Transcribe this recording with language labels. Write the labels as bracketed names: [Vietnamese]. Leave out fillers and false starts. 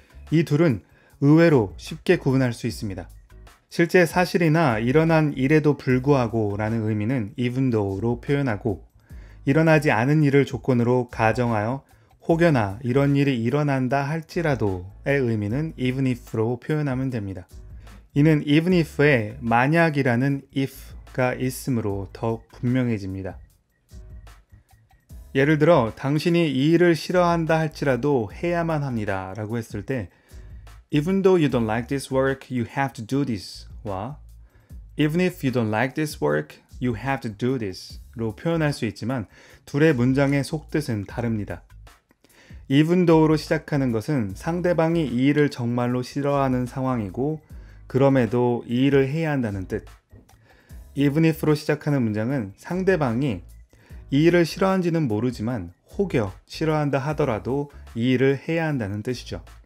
[Korean] 이 둘은 의외로 쉽게 구분할 수 있습니다. 실제 사실이나 일어난 일에도 불구하고 라는 의미는 even though로 표현하고 일어나지 않은 일을 조건으로 가정하여 혹여나 이런 일이 일어난다 할지라도의 의미는 even if로 표현하면 됩니다. 이는 even if에 만약이라는 if가 있으므로 더욱 분명해집니다. 예를 들어 당신이 이 일을 싫어한다 할지라도 해야만 합니다 라고 했을 때 [English] even though you don't like this work, you have to do this 와 even if you don't like this work, you have to do this [Korean] 로 표현할 수 있지만 둘의 문장의 속뜻은 다릅니다. even though로 시작하는 것은 상대방이 이 일을 정말로 싫어하는 상황이고 그럼에도 이 일을 해야 한다는 뜻. even if로 시작하는 문장은 상대방이 이 일을 싫어한지는 모르지만 혹여 싫어한다 하더라도 이 일을 해야 한다는 뜻이죠.